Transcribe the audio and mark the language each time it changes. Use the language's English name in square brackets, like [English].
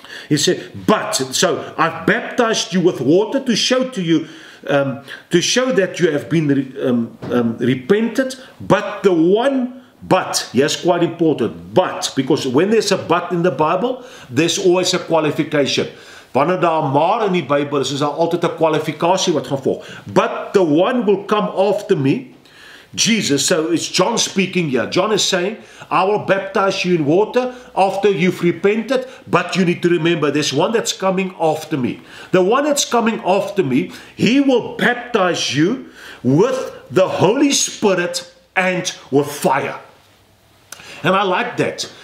[English] He said, but so I've baptized you with water to show to you. To show that you have been repented, but because when there's a but in the Bible, there's always a qualification. [Afrikaans] Wanneer daar maar in die Bybel is, is daar altyd 'n kwalifikasie wat gaan volg. [English] But the one will come after me, Jesus. So it's John speaking here. John is saying, I will baptize you in water after you've repented, but you need to remember there's one that's coming after me. The one that's coming after me, he will baptize you with the Holy Spirit and with fire. And I like that.